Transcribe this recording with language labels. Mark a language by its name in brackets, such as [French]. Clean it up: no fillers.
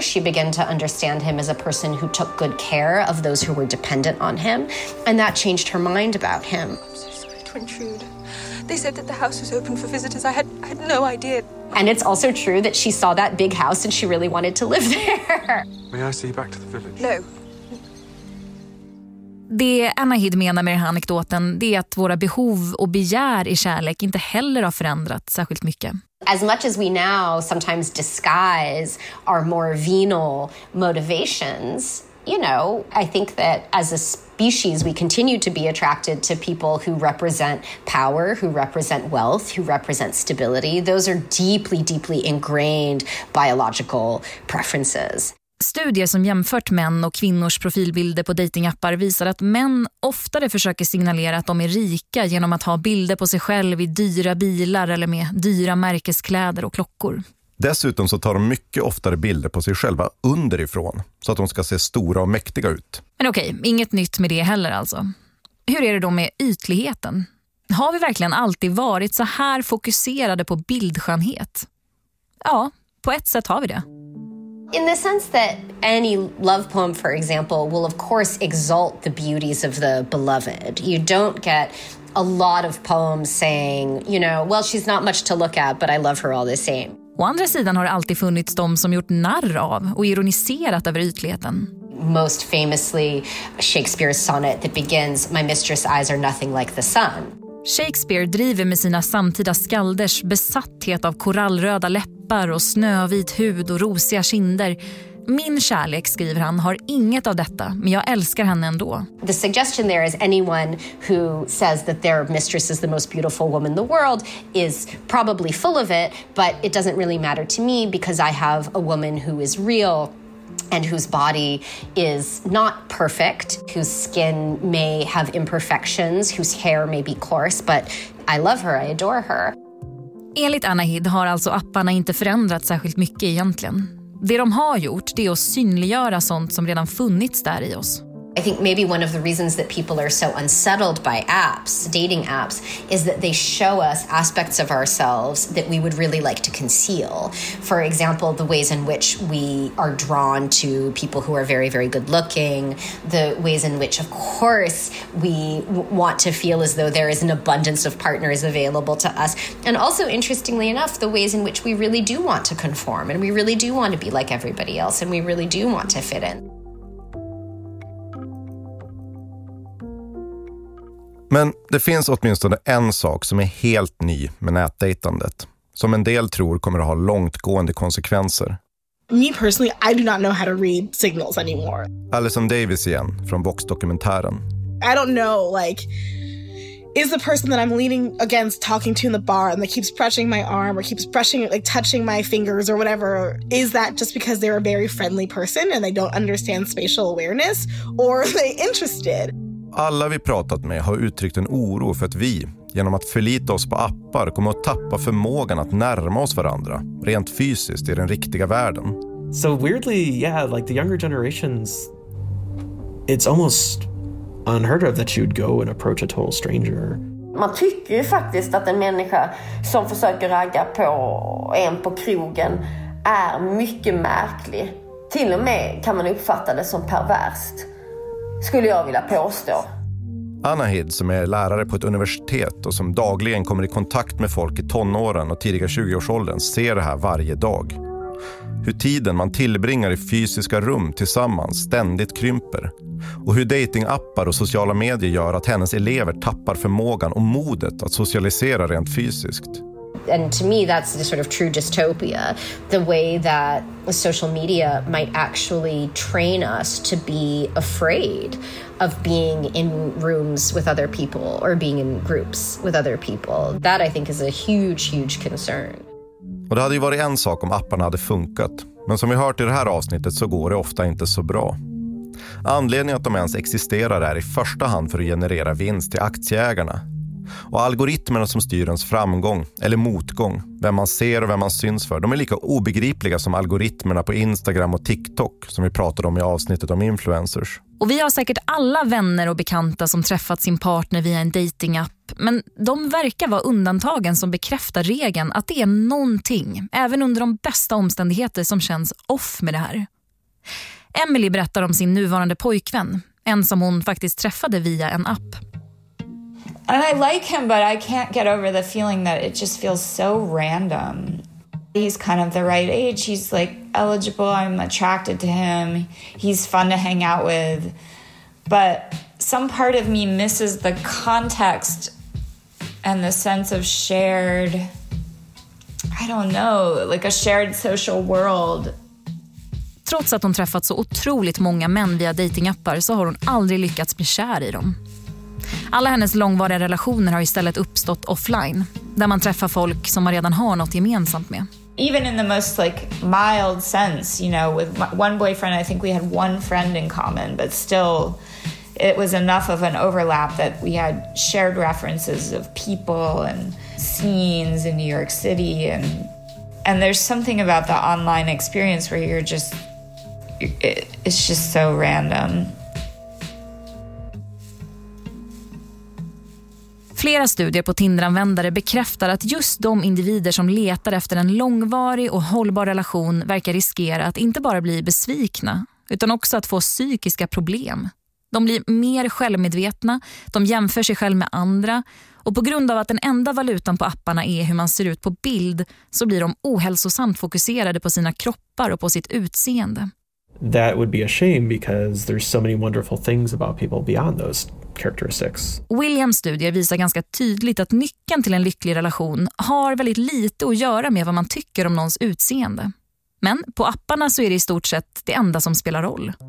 [English] She began to understand him as a person who took good care of those who were dependent on him. And that changed her mind about him. I'm so sorry to intrude. They said that the house was open for visitors. I had no idea. And it's also true that she saw that big house and she really wanted to live there. May I see you back to the village? No. [Swedish] Det Anna Hid menar med den här anekdoten är att våra behov och begär i kärlek inte heller har förändrats särskilt mycket. [English] As much as we now sometimes disguise our more venal motivations, you know, I think that as a species we continue to be attracted to people who represent power, who represent wealth, who represent stability. Those are deeply, deeply ingrained biological preferences. [Swedish] Studier som jämfört män och kvinnors profilbilder på datingappar visar att män oftare försöker signalera att de är rika genom att ha bilder på sig själv i dyra bilar eller med dyra märkeskläder och klockor. Dessutom så tar de mycket oftare bilder på sig själva underifrån så att de ska se stora och mäktiga ut. Men okej, inget nytt med det heller alltså. Hur är det då med ytligheten? Har vi verkligen alltid varit så här fokuserade på bildskönhet? Ja, på ett sätt har vi det. [English] In the sense that any love poem, for example, will of course exalt the beauties of the beloved. You don't get a lot of poems saying, you know, well, she's not much to look at, but I love her all the same. [Swedish] Å andra sidan har det alltid funnits de som gjort narr av och ironiserat över ytligheten. [English] Most famously, Shakespeare's sonnet that begins, "My mistress' eyes are nothing like the sun." [Swedish] Shakespeare driver med sina samtida skalders besatthet av korallröda läppar och snövit hud och rosiga kinder. Min kärlek, skriver han, har inget av detta, men jag älskar henne ändå. [English] The suggestion there is anyone who says that their mistress is the most beautiful woman in the world is probably full of it, but it doesn't really matter to me because I have a woman who is real. And whose body is not perfect, whose skin may have imperfections, whose hair may be coarse, but I love her, I adore her. [Swedish] Enligt Anna Hid har alltså apparna inte förändrat särskilt mycket egentligen. Det de har gjort, det är att synliggöra sånt som redan funnits där i oss. [English] I think maybe one of the reasons that people are so unsettled by apps, dating apps, is that they show us aspects of ourselves that we would really like to conceal. For example, the ways in which we are drawn to people who are very, very good looking, the ways in which, of course, we want to feel as though there is an abundance of partners available to us. And also, interestingly enough, the ways in which we really do want to conform and we really do want to be like everybody else and we really do want to fit in. [Swedish] Men det finns åtminstone en sak som är helt ny med nätdejtandet, som en del tror kommer att ha långtgående konsekvenser. [English] Me personally, I do not know how to read signals anymore. [Swedish] Alison Davis igen, från Vox-dokumentären. [English] I don't know, like, is the person that I'm leaning against talking to in the bar and that keeps brushing my arm or keeps brushing, like, touching my fingers or whatever, is that just because they're a very friendly person and they don't understand spatial awareness, or are they interested? [Swedish] Alla vi pratat med har uttryckt en oro för att vi, genom att förlita oss på appar, kommer att tappa förmågan att närma oss varandra, rent fysiskt, i den riktiga världen. [English] So weirdly, yeah, like the younger generations, it's almost unheard of that you'd go and approach a total stranger. [Swedish] Man tycker ju faktiskt att en människa som försöker ragga på en på krogen är mycket märklig. Till och med kan man uppfatta det som perverst. Skulle jag vilja påstå. Anna Hid, som är lärare på ett universitet och som dagligen kommer i kontakt med folk i tonåren och tidiga 20-årsåldern, ser det här varje dag. Hur tiden man tillbringar i fysiska rum tillsammans ständigt krymper. Och hur datingappar och sociala medier gör att hennes elever tappar förmågan och modet att socialisera rent fysiskt. [English] And to me, that's the sort of true dystopia, the way that social media might actually train us to be afraid of being in rooms with other people or being in groups with other people. That, I think, is a huge, huge concern. [Swedish] Och det hade ju varit en sak om apparna hade funkat. Men som vi hört i det här avsnittet så går det ofta inte så bra. Anledningen att de ens existerar är i första hand för att generera vinst till aktieägarna. Och algoritmerna som styr ens framgång eller motgång, vem man ser och vem man syns för, de är lika obegripliga som algoritmerna på Instagram och TikTok som vi pratade om i avsnittet om influencers. Och vi har säkert alla vänner och bekanta som träffat sin partner via en datingapp, men de verkar vara undantagen som bekräftar regeln att det är någonting, även under de bästa omständigheter, som känns off med det här. Emily berättar om sin nuvarande pojkvän, en som hon faktiskt träffade via en app. [English] And I like him, but I can't get over the feeling that it just feels so random. He's kind of the right age. He's, like, eligible. I'm attracted to him. He's fun to hang out with. But some part of me misses the context and the sense of shared, I don't know, like a shared social world. [Swedish] Trots att hon träffat så otroligt många män via datingappar så har hon aldrig lyckats bli kär i dem. Alla hennes långvariga relationer har istället uppstått offline, där man träffar folk som man redan har något gemensamt med. [English] Even in the most, like, mild sense, you know, with one boyfriend, I think we had one friend in common, but still it was enough of an overlap that we had shared references of people and scenes in New York City, and there's something about the online experience where you're just it's just so random. [Swedish] Flera studier på Tinder-användare bekräftar att just de individer som letar efter en långvarig och hållbar relation verkar riskera att inte bara bli besvikna, utan också att få psykiska problem. De blir mer självmedvetna, de jämför sig själv med andra, och på grund av att den enda valutan på apparna är hur man ser ut på bild, så blir de ohälsosamt fokuserade på sina kroppar och på sitt utseende. [English] That would be a shame because there's so many wonderful things about people beyond those characteristics. [Swedish] Williams studie visar ganska tydligt att nyckeln till en lycklig relation har väldigt lite att göra med vad man tycker om någons utseende. Men på apparna så är det i stort sett det enda som spelar roll.